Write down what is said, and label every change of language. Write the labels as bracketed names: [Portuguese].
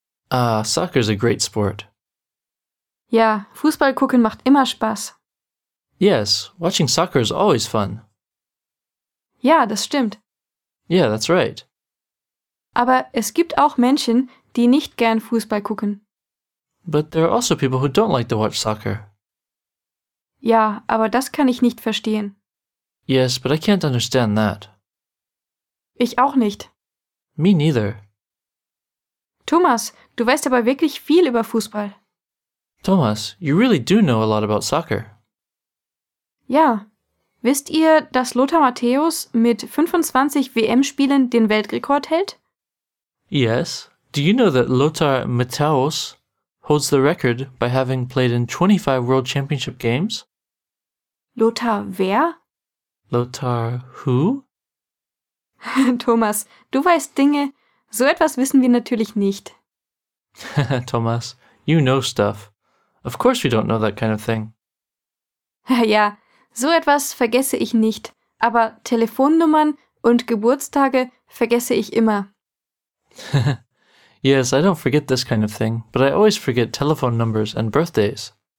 [English] Ah, soccer is a great sport. [German] Ja, Fußball gucken macht immer Spaß. [English] Yes, watching soccer is always fun. [German] Ja, das stimmt. [English] Yeah, that's right. [German] Aber es gibt auch Menschen, die nicht gern Fußball gucken. [English] But there are also people who don't like to watch soccer. [German] Ja, aber das kann ich nicht verstehen. [English] Yes, but I can't understand that. [German] Ich auch nicht. [English] Me neither. [German] Thomas, du weißt aber wirklich viel über Fußball. [English] Thomas, you really do know a lot about soccer. [German] Ja. Wisst ihr, dass Lothar Matthäus mit 25 WM-Spielen den Weltrekord hält? [English] Yes. Do you know that Lothar Matthäus holds the record by having played in 25 World Championship games? [German] Lothar wer? [English] Lothar who? [German] Thomas, du weißt Dinge. So etwas wissen wir natürlich nicht. [English] Thomas, you know stuff. Of course we don't know that kind of thing. [German] Ja, so etwas vergesse ich nicht, aber Telefonnummern und Geburtstage vergesse ich immer. [English] Yes, I don't forget this kind of thing, but I always forget telephone numbers and birthdays.